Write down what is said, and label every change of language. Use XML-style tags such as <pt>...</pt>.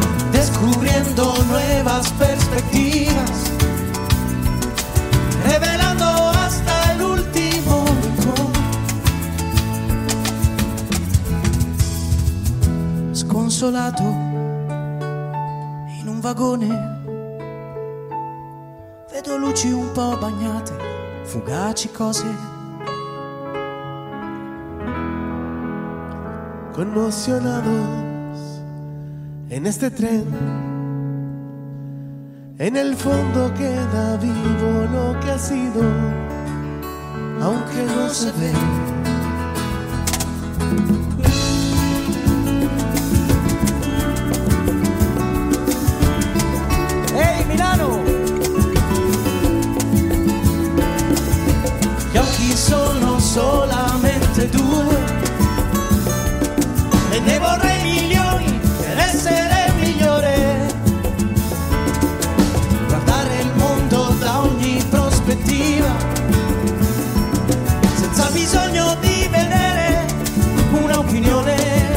<es>Descubriendo nuevas perspectivas, revelando hasta el último rincón.</es> <it>Sconsolato in un vagone, vedo luci un po' bagnate, fugaci cose.</it> <es>Conmocionados en este tren, en el fondo queda vivo lo que ha sido, aunque no se ve. ¡Hey, Milano! Y aquí solo solamente tú.</es> <it>Ne vorrei milioni per essere migliore. Guardare il mondo da ogni prospettiva, senza bisogno di vedere un'opinione.</it>